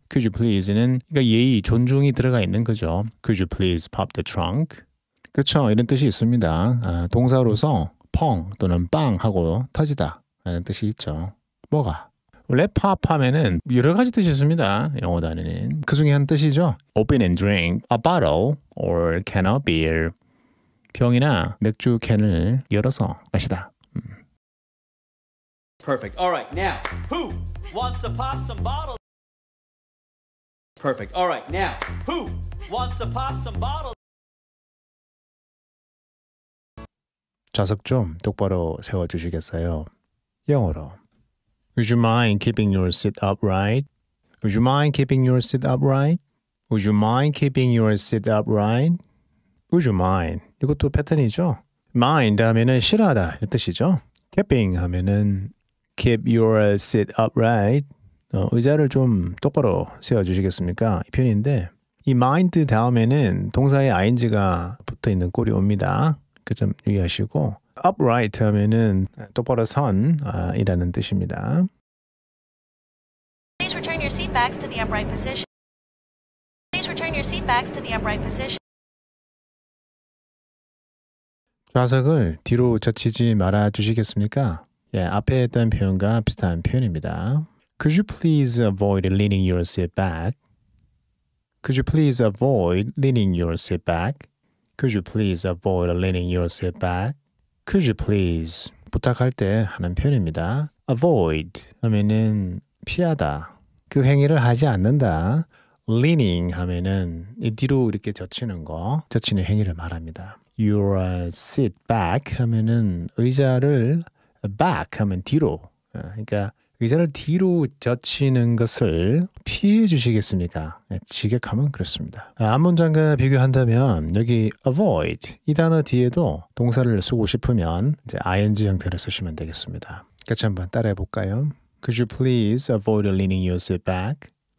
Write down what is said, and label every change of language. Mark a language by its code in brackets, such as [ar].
[en] Could you please는 [ko] 그러니까 예의, 존중이 들어가 있는 거죠. [en] Could you please pop the trunk? [ko] 그렇죠. 이런 뜻이 있습니다. 아, 동사로서 펑 또는 빵 하고 터지다 라는 뜻이 있죠. 뭐가? 원래 pop 하면은 여러 가지 뜻이 있습니다. 영어 단어는. 그 중에 한 뜻이죠. [en] Open and drink a bottle or can of beer. [ko] 병이나 맥주 캔을 열어서 마시다. [en] Perfect. All right. Now, who wants to pop some bottles? Perfect. All right. Now, who wants to pop some bottles? [ko] 좌석 좀 똑바로 세워주시겠어요? 영어로. [en] Would you mind keeping your seat upright? Would you mind keeping your seat upright? Would you mind keeping your seat upright? Would you mind? [ko] 이것도 패턴이죠. Mind 하면은 싫어하다 이 뜻이죠. Keeping 하면은 [en] keep your seat upright. [ko] 의자를 좀 똑바로 세워주시겠습니까? 이 표현인데 이 mind 다음에는 동사의 ing가 붙어있는 꼴이 옵니다. 그 점 유의하시고 upright 하면은 똑바로 선 이라는 뜻입니다. [en] Please return your seat backs to the upright position. Please return your seat backs to the upright position. [ko] 좌석을 뒤로 젖히지 말아 주시겠습니까? 예, 앞에 했던 표현과 비슷한 표현입니다. [en] Could you please avoid leaning your seat back? Could you please avoid leaning your seat back? Could you please avoid leaning your seat back? Could you please [ko] 부탁할 때 하는 표현입니다. Avoid 하면은 피하다. 그 행위를 하지 않는다. Leaning 하면은 뒤로 이렇게 젖히는 거. 젖히는 행위를 말합니다. [en] Your seat back [ko] 하면은 의자를 back 하면 뒤로 그러니까 의자를 뒤로 젖히는 것을 피해 주시겠습니까? 직역하면 그렇습니다. 앞 문장과 비교한다면 여기 avoid 이 단어 뒤에도 동사를 쓰고 싶으면 이제 ing 형태를 쓰시면 되겠습니다. 같이 한번 따라해 볼까요? [en] Could you please avoid leaning your seat back?